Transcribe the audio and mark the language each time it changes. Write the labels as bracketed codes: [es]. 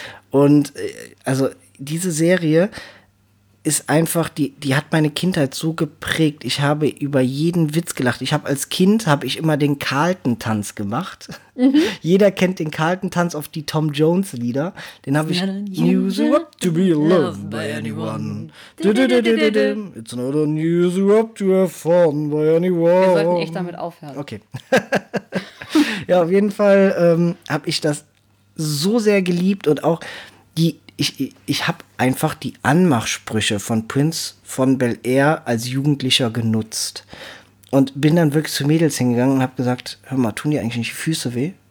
[de] Und also diese Serie ist einfach, die hat meine Kindheit so geprägt. Ich habe über jeden Witz gelacht. Ich habe als Kind, habe ich immer den Carlton-Tanz gemacht. Mhm. Jeder kennt den Carlton-Tanz auf die Tom Jones-Lieder. Den habe ich. [en] Unusual to be loved by anyone. It's not unusual to have fun by anyone. [de] Wir sollten echt damit aufhören. Okay. Ja, auf jeden Fall habe ich das so sehr geliebt und auch die. Ich habe einfach die Anmachsprüche von Prince von Bel-Air als Jugendlicher genutzt und bin dann wirklich zu Mädels hingegangen und habe gesagt, hör mal, tun dir eigentlich nicht die Füße weh?